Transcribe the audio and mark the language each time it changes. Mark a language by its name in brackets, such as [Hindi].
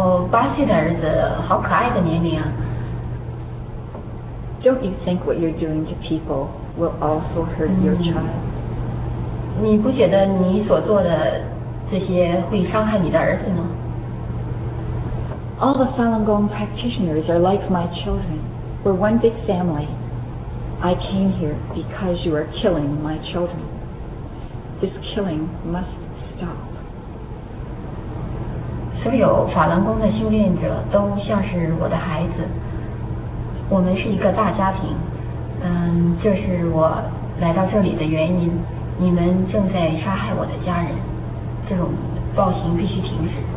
[Chinese] 八岁的儿子，好可爱的年龄啊。 [English] Don't you think what you're doing to people will also hurt your child? [Chinese] 你不觉得你所做的这些会伤害你的儿子吗？ [English] All the Falun Gong practitioners are like my children. We're one big family. I came here because you are killing my children. This killing must stop. [Chinese] 所有法轮功的修炼者都像是我的孩子。我们是一个大家庭，这是我来到这里的原因。你们正在杀害我的家人，这种暴行必须停止。